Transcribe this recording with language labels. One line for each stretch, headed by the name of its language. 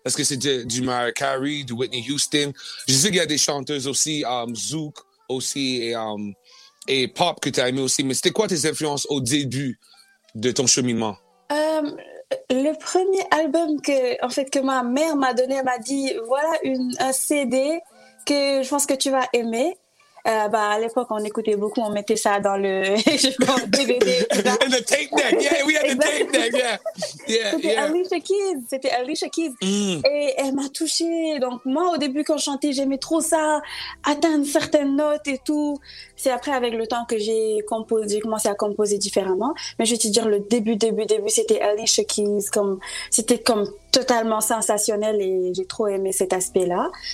French: Est-ce que c'est du Mariah Carey, du Whitney Houston? Je sais qu'il y a des chanteuses aussi, Zouk aussi, et pop que t'as aimé aussi. Mais c'était quoi tes influences au début de ton cheminement? Le premier album que ma mère m'a donné, elle m'a dit, voilà un CD que je pense que tu vas aimer. À l'époque, on écoutait beaucoup, on mettait ça dans le DVD.
English: And the tape deck, yeah, we had the tape deck, yeah.
French: C'était Alicia Keys. Mm. Et elle m'a touchée. Donc moi, au début, quand je chantais, j'aimais trop ça, atteindre certaines notes et tout. C'est après, avec le temps, que j'ai commencé à composer différemment. Mais je vais te dire, le début, c'était Alicia Keys. C'était comme totalement sensationnel et j'ai trop aimé cet aspect-là.